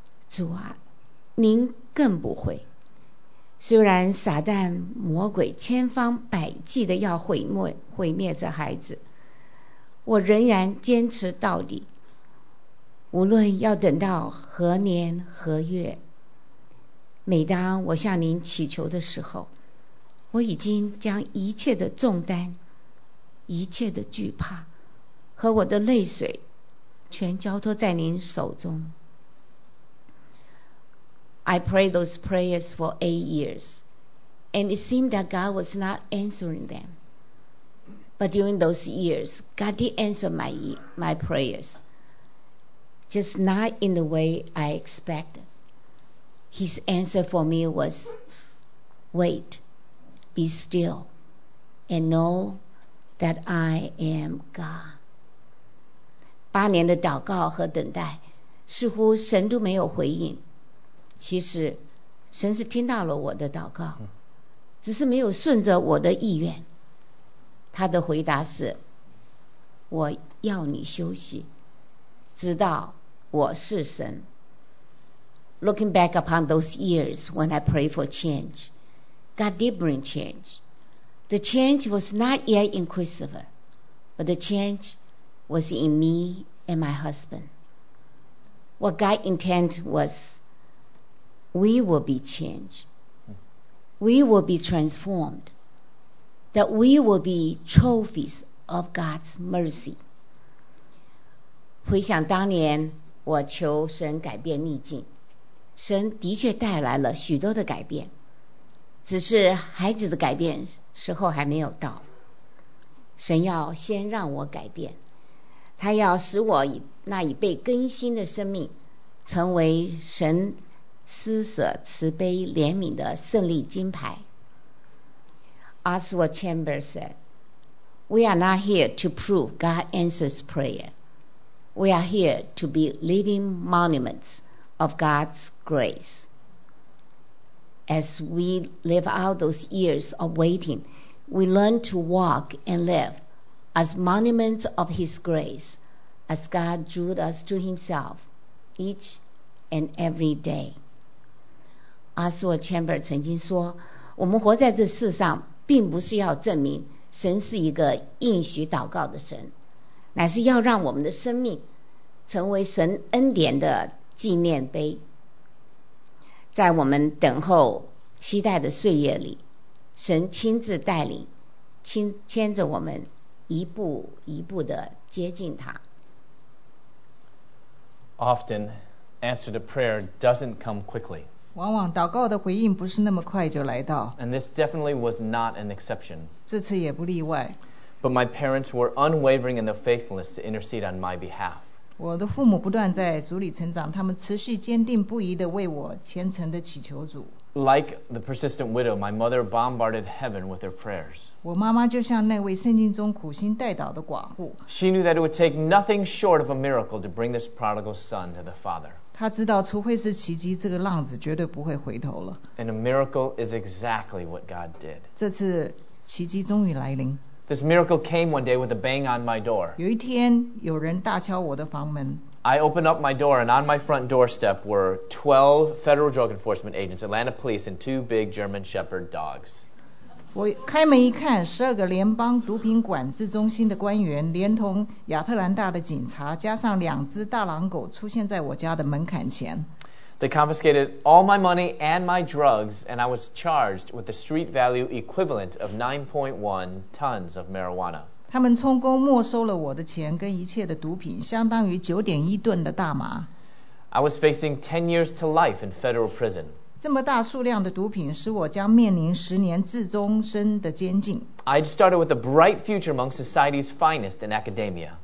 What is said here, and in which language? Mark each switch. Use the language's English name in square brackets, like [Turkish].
[Chinese] 主啊，您更不会。虽然撒旦魔鬼千方百计的要毁灭这孩子，我仍然坚持到底，无论要等到何年何月。每当我向您祈求的时候，我已经将一切的重担、一切的惧怕和我的泪水全交托在您手中。 [English] I prayed those prayers for 8 years, and it seemed that God was not answering them. But during those years, God did answer my prayers, just not in the way I expected. His answer for me was, wait, be still, and know that I am God. [Chinese] 8年的祷告和等待，似乎神都没有回应。其实神是听到了我的祷告，只是没有顺着我的意愿。他的回答是，我要你休息，直到我是神。 [English] Looking back upon those years when I prayed for change, God did bring change. The change was not yet in Christopher, but the changewas in me and my husband. What God's intent was, we will be changed. We will be transformed. That we will be trophies of God's mercy. [Chinese] 回想当年我求神改变逆境，神的确带来了许多的改变，只是孩子的改变时候还没有到。神要先让我改变，他要使我那已被更新的生命成为神施舍慈悲怜悯的胜利金牌。 [English] Oswald Chambers said, We are not here to prove God answers prayer. We are here to be living monuments of God's grace. As we live out those years of waiting, we learn to walk and live as monuments of His grace, as God drew us to Himself each and every day. [Chinese] 阿斯沃千伯曾经说，我们活在这世上并不是要证明神是一个应许祷告的神，乃是要让我们的生命成为神恩典的纪念碑。在我们等候期待的岁月里，神亲自带领，牵着我们一步一步的接近他。 [English] Often answer to prayer doesn't come quickly. [Chinese] 往往祷告的回应不是那么快就来到。 [English] And this definitely was not an exception. [Chinese] 这次也不例外。 [English] But my parents were unwavering in their faithfulness to intercede on my behalf. [Chinese] 我的父母不断在主里成长，他们持续坚定不移地为我虔诚地祈求主。 [English] Like the persistent widow, my mother bombarded heaven with her prayers. [Chinese] 我妈妈就像那位圣经中苦心代祷的寡妇。 [English] She knew that it would take nothing short of a miracle to bring this prodigal son to the father. [Chinese] 她知道除非是奇迹，这个浪子绝对不会回头了。 [English] And a miracle is exactly what God did. [Chinese] 这次奇迹终于来临。 [English] This miracle came one day with a bang on my door. [Chinese] 有一天有人大敲我的房门。 [English] I opened up my door, and on my front doorstep were 12 federal drug enforcement agents, Atlanta police, and two big German shepherd dogs. [Chinese] 我开门一看，十二个联邦毒品管制中心的官员，连同亚特兰大的警察，加上两只大狼狗，出现在我家的门槛前。 [English] They confiscated all my money and my drugs, and I was charged with the street value equivalent of 9.1 tons of marijuana. [Chinese] 他们充公没收了我的钱跟一切的毒品，相当于 9.1 吨的大麻。 [English] I was facing 10 years to life in federal prison. [Chinese] 这么大数量的毒品使我将面临十年至终身的监禁。 [English] I'd started with a bright future among society's finest in academia.